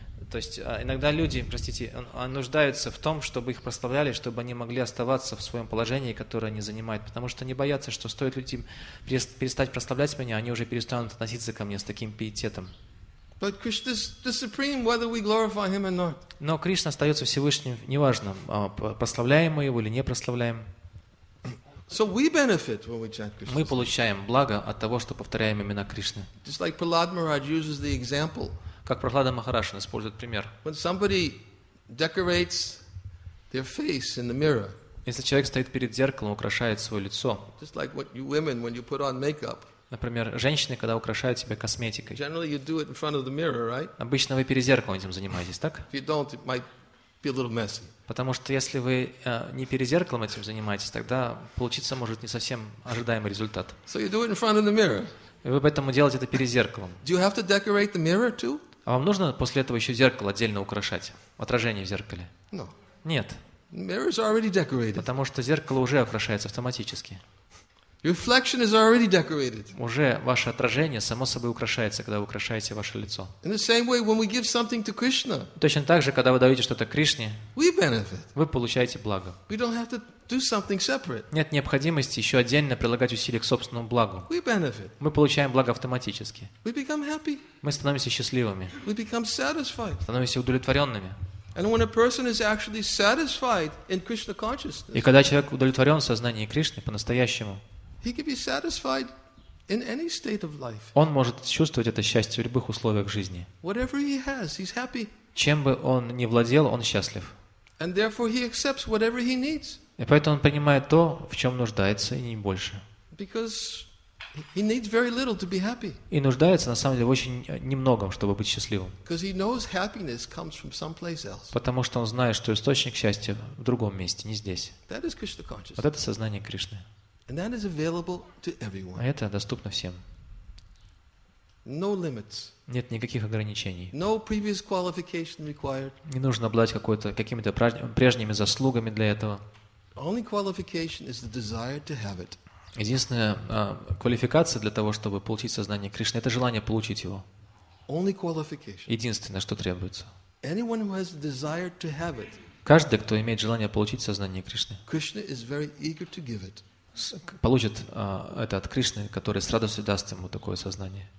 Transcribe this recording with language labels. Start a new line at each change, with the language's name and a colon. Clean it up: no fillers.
Russian: То есть иногда люди, простите, нуждаются в том, чтобы их прославляли, чтобы они могли оставаться в своем положении, которое они занимают, потому что они боятся, что стоит людям перестать прославлять меня, они уже перестанут относиться ко мне с таким пиететом.
English: But Krishna is the supreme, whether we glorify him or not.
Russian: Но Кришна остается Всевышним, неважно, прославляем мы его или не прославляем.
English: So we benefit when we chant Krishna.
Russian: Мы получаем благо от того, что повторяем имена Кришны.
English: Just like Prahlad Maharaj uses the example.
Russian: Как Прохлада Махарадж использует пример.
English: When somebody decorates their face in the mirror.
Russian: Если человек стоит перед зеркалом, украшает свое лицо.
English: Just like what you women when you put on makeup.
Russian: Например, женщины, когда украшают себя косметикой. Обычно вы перед зеркалом этим занимаетесь, так?
English: be a little messy.
Russian: Потому что если вы не перед зеркалом этим занимаетесь, тогда получится может не совсем ожидаемый результат.
English: So you do it in front of the mirror.
Russian: И вы поэтому делаете это перед зеркалом.
English: Do you have to decorate the mirror too?
Russian: А вам нужно после этого еще зеркало отдельно украшать? Отражение в зеркале?
English: No.
Russian: Нет.
English: Mirror is already decorated.
Russian: Потому что зеркало уже украшается автоматически.
English: Reflection is already decorated.
Russian: Уже ваше отражение само собой украшается, когда вы украшаете ваше лицо.
English: In the same way, when we give something to Krishna,
Russian: точно так же, когда вы даете что-то Кришне,
English: we benefit.
Russian: Вы получаете благо.
English: We don't have to do something separate.
Russian: Нет необходимости еще отдельно прилагать усилия к собственному благу.
English: We benefit.
Russian: Мы получаем благо автоматически.
English: We become happy.
Russian: Мы становимся счастливыми.
English: We become satisfied.
Russian: Становимся удовлетворенными.
English: And when a person is actually satisfied in Krishna consciousness,
Russian: и когда человек удовлетворен в сознании Кришны по-настоящему,
English: he can be satisfied in any state of life.
Russian: Он может чувствовать это счастье в любых условиях жизни.
English: Whatever he has, he's happy.
Russian: Чем бы он ни владел, он счастлив.
English: And therefore he accepts whatever he needs.
Russian: И поэтому он принимает то, в чем нуждается, и не больше.
English: Because he needs very little to be happy.
Russian: И нуждается на самом деле в очень немногом, чтобы быть счастливым.
English: Because he knows happiness comes from someplace else.
Russian: Потому что он знает, что источник счастья в другом месте, не здесь.
English: That is Krishna consciousness.
Russian: Вот это сознание Кришны.
English: And that is available to everyone.
Russian: А это доступно всем.
English: No limits.
Russian: Нет никаких ограничений.
English: No previous qualification required.
Russian: Не нужно обладать какими-то прежними заслугами для этого.
English: Only qualification is the desire to have it.
Russian: Единственная квалификация для того, чтобы получить сознание Кришны, это желание получить его.
English: Only qualification.
Russian: Единственное, что требуется.
English: Anyone who has the desire to have it.
Russian: Каждый, кто имеет желание получить сознание Кришны.
English: Krishna is very eager to give it.
Russian: Получит это от Кришны, который с радостью даст ему такое сознание.